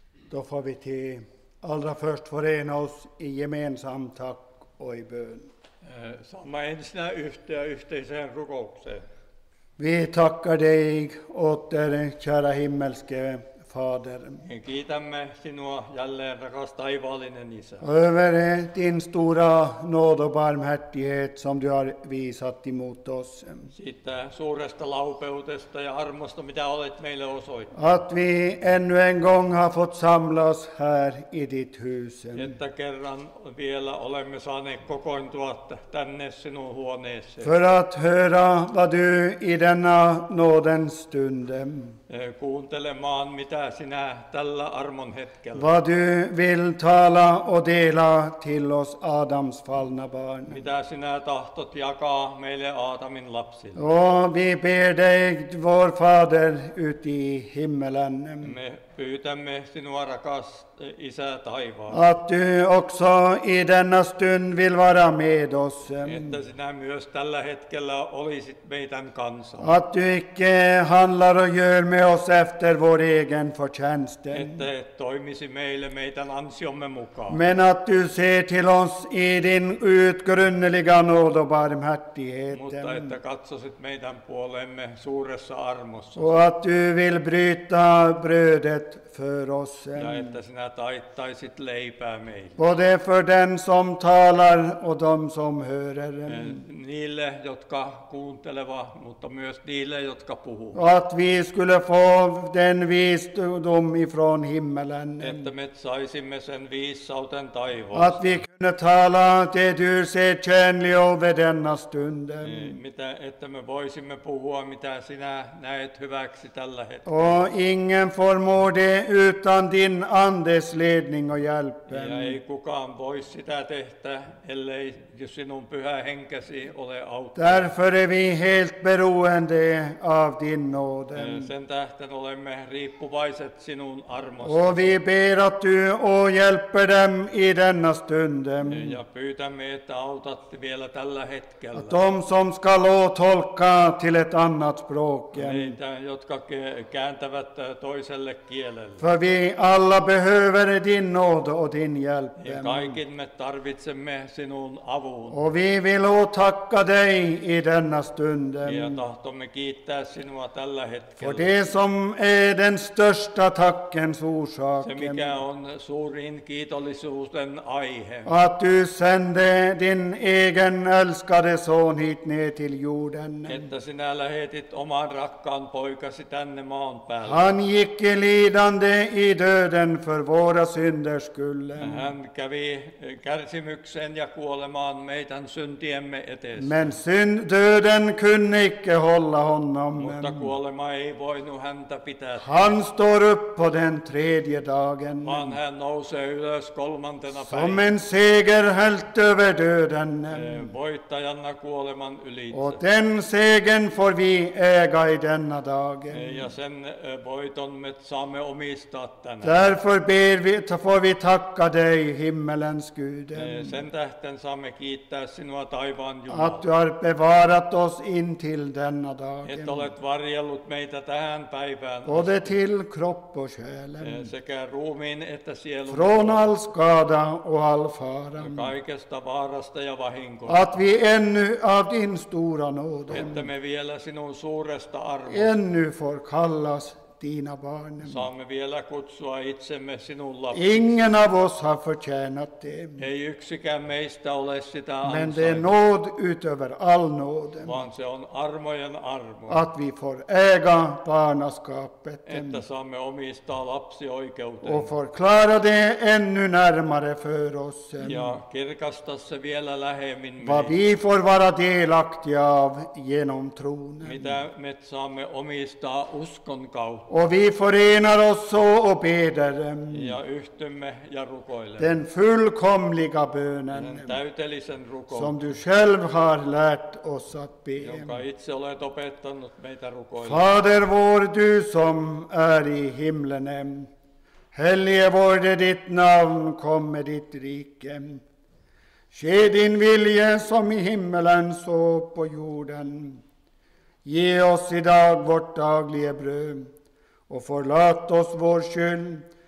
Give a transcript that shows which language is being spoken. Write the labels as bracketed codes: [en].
[sv] Då får vi till allra först förena oss i gemensam tack och i bön. [fi] Samma ensna yhtä yhteisen rukoukseen. [sv] Vi tackar dig åter, kära himmelske Fader. [fi] Kiitämme sinua jälleen, rakas taivaallinen Isä. [sv] Över din stora nåd och barmhärtighet som du har visat emot oss. [fi] Sitä suuresta laupeutesta ja armosta, mitä olet meille osoittanut. [sv] Att vi ännu en gång har fått samlas här i ditt hus. [fi] Että kerran vielä olemme saaneet kokoontua tänne sinun huoneeseen. [sv] För att höra vad du i denna nåden stunden. [fi] Kuuntelemaan, mitä sinä tällä armon hetkellä. [sv] Vad du vill tala och dela till oss Adams fallna barn. [fi] Mitä sinä tahtot jakaa meille Aadamin lapsille. [sv] Och vi ber dig, vår fader, ut i himmelen. [fi] Me pyytämme sinua, rakas Isä taivaan. [sv] Att du också i denna stund vill vara med oss. [fi] Että sinä myös tällä hetkellä olisit meidän kanssa. [sv] Att du icke handlar och gör med oss efter vår egen förtjänst. [fi] Että toimisi meille meidän ansiomme mukaan. [sv] Men att du ser till oss i din utgrunneliga nåd och barmhärtighet. [fi] Mutta että katsosit meidän puolemme suuressa armossa. [sv] Och att du vill bryta brödet för oss. [fi] Ja, että sinä taittaisit leipää meille. [sv] Både för den som talar och de som hörer. [fi] Niille, jotka kuunteleva, mutta myös niille, jotka puhuu. [sv] Att vi skulle få den visdom ifrån himmelen. [fi] Että me saisimme sen viisauten taivaasta. [sv] Att vi kunde tala det du ser tjänlig över denna stunden. [fi] Mitä, että me voisimme puhua, mitä sinä näet hyväksi tällä hetkellä. [sv] Och ingen förmår det utan din andes ledning och hjälp. [fi] Ei kukaan voi sitä tehdä, ellei sinun pyhä henkesi ole auttanut. [sv] Därför är vi helt beroende av din nåden. [fi] Sen tähten olemme riippuvaiset sinun armosta. [sv] Och vi ber att du hjälper dem i denna stunden. [fi] Ja pyytämme, että autat vielä tällä hetkellä. [sv] De som ska tolka till ett annat språk. [fi] Niitä, jotka kääntävät toiselle kielelle. [sv] För vi alla behöver din nåd och din hjälp. [fi] Ja kaikki me tarvitsemme sinun avun. [sv] Och vi vill tacka dig i denna stunden. [fi] Ja tahtomme kiittää sinua tällä hetkellä. [sv] För det som är den största tackens orsaken. [fi] Se mikä on suurin kiitollisuuden aihe. [sv] Att du sände din egen älskade son hit ner till jorden. [fi] Että sinä lähetit oman rakkaan poikasi tänne maan päälle. [sv] Han gick lidande i döden för våra synders skull. [fi] Hän kävi kärsimyksen ja kuolemaan meidän syntiemme eteen. [sv] Men döden kunde icke hålla honom. [fi] Mutta kuolema ei voinut häntä pitää. [sv] Han står upp på den tredje dagen. [fi] Vaan hän nousee ylös kolmantena päivänä. [sv] Som en seger hält över döden. [fi] Voittajana kuoleman ylitse. [sv] Och den segern får vi äga i denna dagen. [fi] Ja sen voiton me saamme omistaa tänään. [sv] Därför ber vi, får vi tacka dig, himmelens Gud. [fi] Sen tähten saamme kiittää sinua, taivaan Jumala. [sv] Att du har bevarat oss in till denna dagen. [fi] Et olet varjellut meitä tähän päivään. [sv] Både till kropp och själen. [fi] Sekä ruumiin että sielun. [sv] Från all skada och all fara. [fi] Kaikesta vaarasta ja vahinkoa. [sv] Att vi ännu av din stora nåd. [fi] Että me vielä sinun suuresta arvosta. [sv] Ännu får kallas dina barn. [fi] Saamme vielä kutsua itsemme sinun lapsi. [sv] Ingen av oss har förtjänat det. [fi] Ei yksikään meistä ole sitä ansainnut. [sv] Men det är nåd utöver all nåden. [fi] Vaan se on armojen armo. [sv] Att vi får äga barnaskapet. [fi] Että saamme omistaa lapsi oikeuteen. [sv] Och förklara det ännu närmare för oss. [fi] Ja kirkasta se vielä lähemmin. [sv] Vad vi får vara delaktiga av genom tron. [fi] Mitä me saamme omistaa uskon kautta. [sv] Och vi förenar oss och beder [fi] ja yhtymme ja rukoilemme [sv] den fullkomliga bönen [fi] täytellisen rukouksen [sv] som du själv har lärt oss att be. [fi] Jonka itse olet opettanut meitä rukoilemme. [sv] Fader vår, du som är i himlen, helige vorde ditt namn, komme ditt rike, ske din vilje som i himmelen så på jorden. Ge oss idag vårt dagliga bröd. Och förlåt oss vår skuld,